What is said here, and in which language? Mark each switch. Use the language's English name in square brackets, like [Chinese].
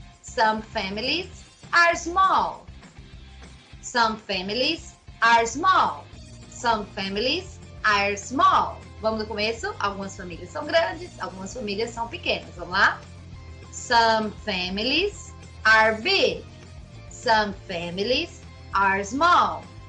[English] Some families are small. Some families are small. Some families are small. [Portuguese] Vamos no começo? Algumas famílias são grandes, algumas famílias são pequenas. Vamos lá? [English] Some families are big. Some families are small.